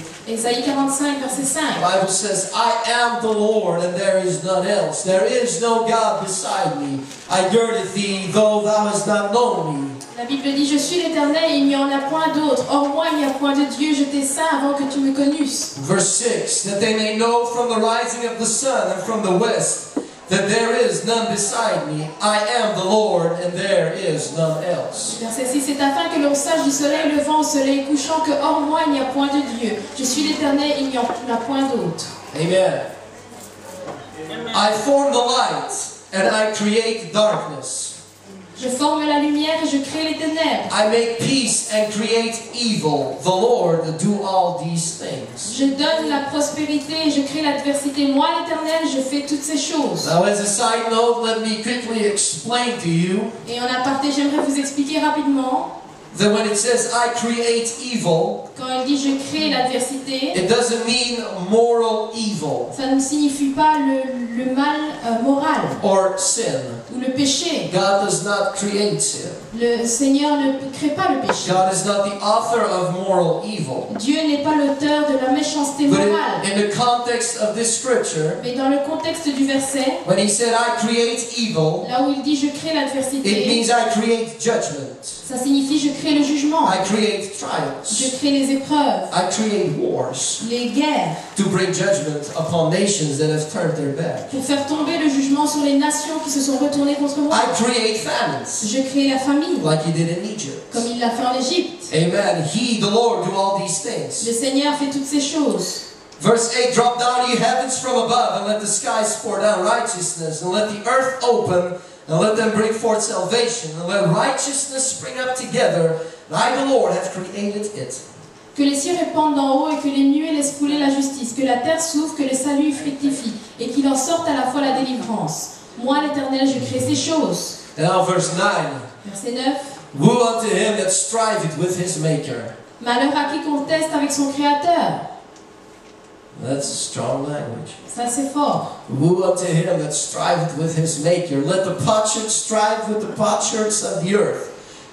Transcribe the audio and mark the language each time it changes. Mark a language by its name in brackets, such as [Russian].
[English] The Bible says, I am the Lord and there is none else. There is no God beside me. I girded thee, though thou hast not known me. [French] La Bible dit, je suis l'Éternel, il n'y en a point d'autre. Or moi, il n'y a point de Dieu, je t'ai saint avant que tu me connusses. [English] Verse 6, that they may know from the rising of the sun and from the west, that there is none beside me, I am the Lord, and there is none else. [French] Verset 6, c'est afin que l'on sache du soleil levant, soleil couchant, que hors moi il n'y a point de Dieu. Je suis l'Éternel, il n'y en a point d'autre. Amen. [English] I form the light, and I create darkness. [French] Je forme la lumière et je crée les ténèbres. [English] I make peace and create evil. The Lord do all these things. [French] Je donne la prospérité et je crée l'adversité. Moi, l'Éternel, je fais toutes ces choses. [English] Now, as a side note, let me quickly explain to you. [French] Et en aparté, j'aimerais vous expliquer rapidement. [English] That when it says I create evil, [French] quand il dit je crée l'adversité, [English] it doesn't mean moral evil. [French] Ça ne signifie pas le mal moral. [English] Or sin. [French] Ou le péché. [English] God does not create sin. [French] Le Seigneur ne crée pas le péché. [English] God is not the author of moral evil. [French] Dieu n'est pas l'auteur de la méchanceté morale. [English] But in the context of this scripture, [French] mais dans le contexte du verset, [English] when he said I create evil, [French] là où il dit je crée l'adversité, [English] it means I create judgment. [French] Ça signifie je crée le jugement. [English] I create trials. [French] Je crée les épreuves. [English] I create wars. [French] Les guerres. [English] To bring judgment upon nations that have turned their back. [French] Pour faire tomber le jugement sur les nations qui se sont retournées contre moi. [English] I create famines. [French] Je crée la famine. [English] Like he did in Egypt. [French] Comme il l'a fait en Égypte. [English] Amen. He, the Lord, do all these things. [French] Le Seigneur fait toutes ces choses. [English] Verse 8, drop down ye heavens from above, and let the skies pour down righteousness, and let the earth open Now let them bring forth salvation, and let righteousness spring up together, and I, the Lord, have created it. [French] Que les cieux répandent d'en haut et que les nuées laissent couler la justice, que la terre s'ouvre, que le salut fructifie, et qu'il en sorte à la fois la délivrance. Moi, l'Éternel, je crée ces choses. [English] Now verse 9. [French] Verset 9. [English] Woe unto him that striveth with his maker. [French] Malheur à qui conteste avec son créateur. [English] That's a strong language. [French] Ça, c'est fort. [English] Woe unto him that striveth with his maker. Let the potsherds strive with the potsherds of the earth.